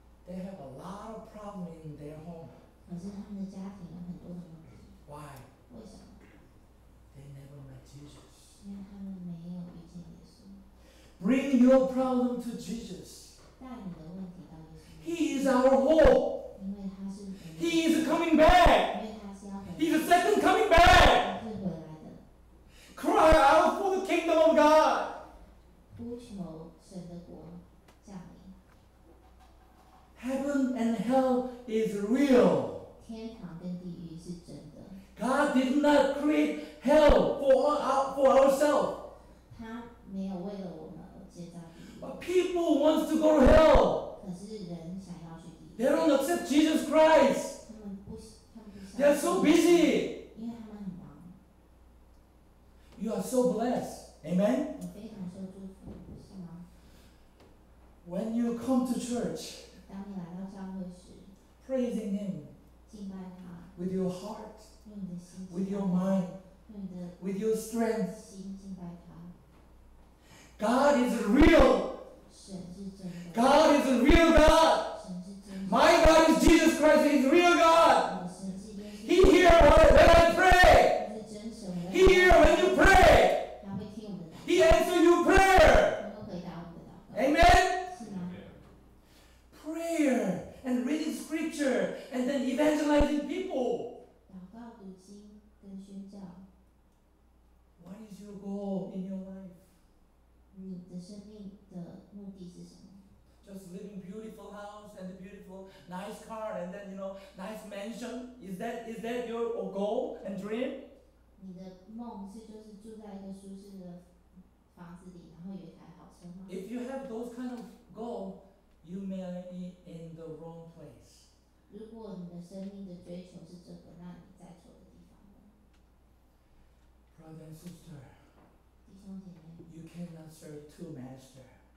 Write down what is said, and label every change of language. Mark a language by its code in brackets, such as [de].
[en] They have a lot of problems in their home. [zh] 可是他们的家庭有很多的问题。 [en] Why? [zh] 为什么？ [en] They never met Jesus. [zh] 因为他们没有遇见耶稣。 [en] Bring your problem to Jesus. [zh] 带你的问题到耶稣。 [en] He is our hope. [zh] 因为他是。 [en] He is coming back. [zh] 因为他是要回来。 [en] He's the second coming back. [zh] 他是回来的。 [en] Cry out for the kingdom of God. [zh] 呼求神的国降临。 [en] Heaven and hell is real. [zh] 天堂跟地狱是真的。 [en] God did not create hell for ourselves. [zh] 他没有为了我们而建造地狱。 [en] But people want to go to hell. [zh] 可是人想要去地狱。 [en] They don't accept Jesus Christ. [zh] 他们不想。 [en] They are so busy. [zh] 因为他们很忙。 [en] You are so blessed. Amen. [zh] 我非常受祝福，是吗？ [en] When you come to church. [zh] 当你来到教会时 [en] ，praising him， [zh] 敬拜他 [en] ，with your heart， [zh] 用你的心 [en] ，with your mind， [zh] 用你的 [en] ，with your strength， [zh] 心敬拜他。 [en] God is real， [zh] 神是真的。 [en] God is a real God， [zh] 神是真的。 [en] My God is Jesus Christ， He is real God。 [zh] 我神是耶稣。 [en] He hear when I pray， [zh] 他是真神。 [en] He hear when you pray， [zh] 他会听我们的祷告。 [en] He answer your prayer， [zh] 他会回答我们的祷告。 [en] Amen。 Prayer and reading scripture and then evangelizing people. [zh] 祷告、读经跟宣教。 [en] What is your goal in your life? [zh] 你的生命的目的是什么？ [en] Just living beautiful house and a beautiful nice car and then you know nice mansion. Is that your goal and dream? [zh] 你的梦是就是住在一个舒适的房子里，然后有一台好车吗？ [en] If you have those kind of goal. You may be in the wrong place. [zh] 如果你的生命的追求是这个，那你在错的地方了。 [en] Brother and sister, [zh] 弟兄姐妹 [en] ，You cannot serve two masters.